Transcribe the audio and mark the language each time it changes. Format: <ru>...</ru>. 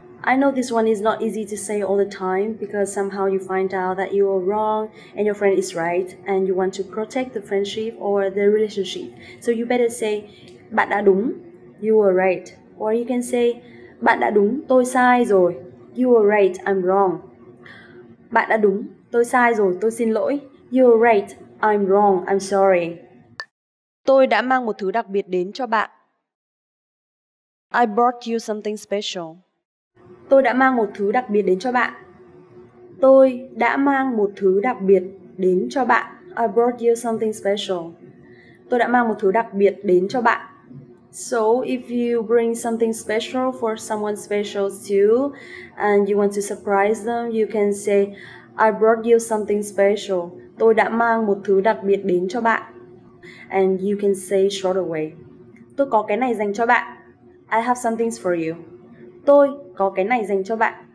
<en>I know this one is not easy to say all the time because somehow you find out that you are wrong and your friend is right and you want to protect the friendship or the relationship. So you better say</en> <vi>bạn đã đúng.</vi> <en>You are right. Or you can say</en> <vi>bạn đã đúng, tôi sai rồi.</vi> <en>You are right, I'm wrong.</en> <vi>Bạn đã đúng, tôi sai rồi, tôi xin lỗi.</vi> <en>You are right, I'm wrong, I'm sorry.</en> <vi>Tôi đã mang một thứ đặc biệt đến cho bạn.</vi> <en>I brought you something special.</en> <vi>Tôi đã mang một thứ đặc biệt đến cho bạn. Tôi đã mang một thứ đặc biệt đến cho bạn.</vi> <en>I brought you something special.</en> <vi>Tôi đã mang một thứ đặc biệt đến cho bạn.</vi> <en>So if you bring something special for someone special too, and you want to surprise them, you can say, I brought you something special.</en> <vi>Tôi đã mang một thứ đặc biệt đến cho bạn.</vi> <en>And you can say straight away,</en> <vi>tôi có cái này dành cho bạn.</vi> <en>I have something for you.</en> <vi>Tôi có cái này dành cho bạn.</vi>